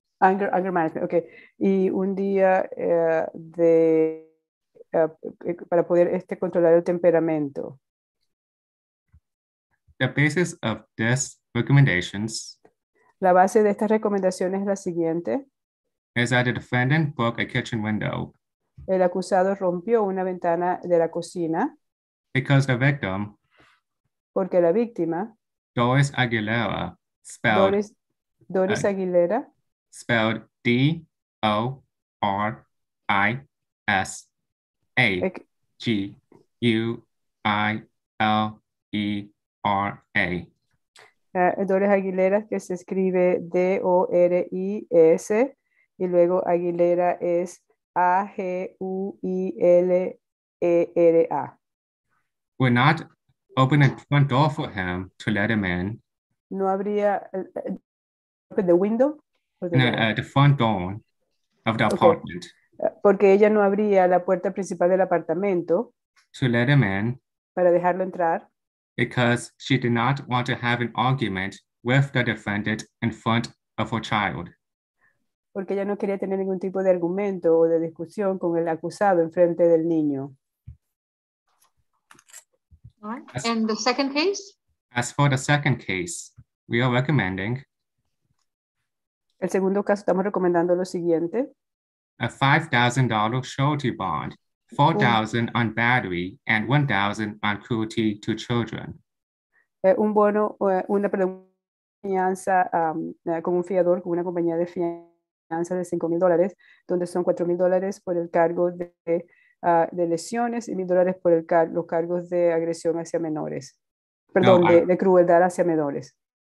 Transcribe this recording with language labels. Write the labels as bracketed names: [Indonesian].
[English] Anger management, okay. [Spanish] Y un día de para poder controlar el temperamento. [English] The basis of this recommendations. [Spanish] La base de estas recomendaciones es la siguiente. [English] Is that the defendant broke a kitchen window. [Spanish] El acusado rompió una ventana de la cocina. [English] Because the victim. [Spanish] Porque la víctima. [English] Doris Aguilera. Spelled. [Spanish] Doris Aguilera. [English] Spelled D O R I S A G U I L E R A. [Spanish] Doris Aguilera, que se escribe D O R I S, y luego Aguilera es A G U I L E R A. [English] Would not open a front door for him to let him in. [Spanish] No habría [English] open the window? The front door of the apartment. [Spanish] Porque ella no abría la puerta principal del apartamento. [English] To let him in. [Spanish] Para dejarlo entrar. [English] Because she did not want to have an argument with the defendant in front of her child. [Spanish] Porque ella no quería tener ningún tipo de argumento o de discusión con el acusado en frente del niño. [English] All right. And the second case? As for the second case, we are recommending. [Spanish] El segundo caso, estamos recomendando lo siguiente. [English] A $5,000 surety bond, $4,000 on battery, and $1,000 on cruelty to children. [Spanish] Un bono, una, perdón, fianza con un fiador, con una compañía de fianza de $5,000, donde son $4,000 por el cargo de lesiones y $1,000 por los cargos de agresión hacia menores. Perdón, no, de crueldad hacia menores.